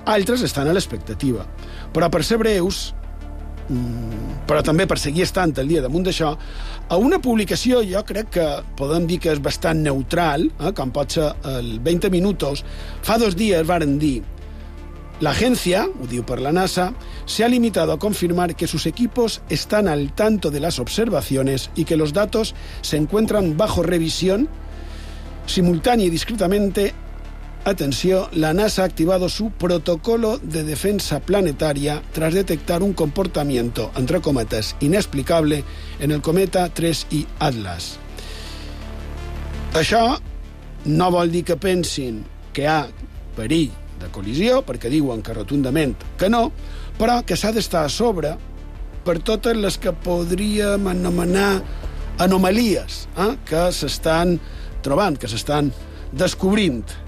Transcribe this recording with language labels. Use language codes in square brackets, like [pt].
[ca] Altres estan a l'expectativa. Però per ser breus, però també per seguir estant el dia damunt d'això, a una publicació, jo crec que podem dir que és bastant neutral, com pot ser el 20 Minutos, fa dos dies varen dir: l'agència, ho diu per la NASA, [es] se ha limitado a confirmar que sus equipos están al tanto de las observaciones y que los datos se encuentran bajo revisión simultánea y discretamente. [ca] Atenció, [es] la NASA ha activado su protocolo de defensa planetaria tras detectar un comportamiento, entre cometas, inexplicable en el cometa 3I Atlas. [ca] Això no vol dir que pensin que hi ha perill de col·lisió, perquè diuen que rotundament que no, però que s'ha d'estar a sobre per totes les que podríem anomenar anomalies, que s'estan trobant, que s'estan descobrint.